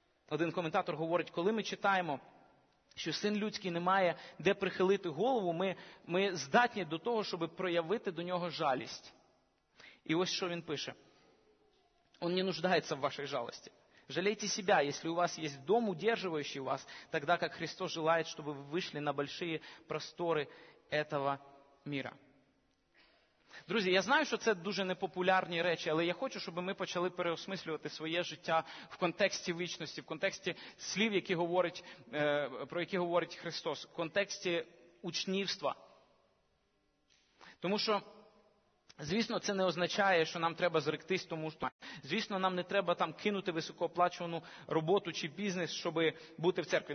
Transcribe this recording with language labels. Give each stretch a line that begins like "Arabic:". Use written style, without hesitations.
Ukrainian: Один коментатор говорить, коли ми читаємо, що син людський не має де прихилити голову, ми здатні до того, щоб проявити до нього жалість. І ось що він пише. Он не нуждається в вашій жалості.
Russian: Жалейте себя, если у вас есть дом, удерживающий вас, тогда как Христос желает, чтобы вы вышли на большие просторы этого мира.
Ukrainian: Друзі, я знаю, що це дуже непопулярні речі, але я хочу, щоб ми почали переосмислювати своє життя в контексті вічності, в контексті слів, які говорить, про які говорить Христос, в контексті учнівства. Тому що, звісно, це не означає, що нам треба зректись, тому що, звісно, нам не треба там кинути високооплачувану роботу чи бізнес, щоб бути в церкві.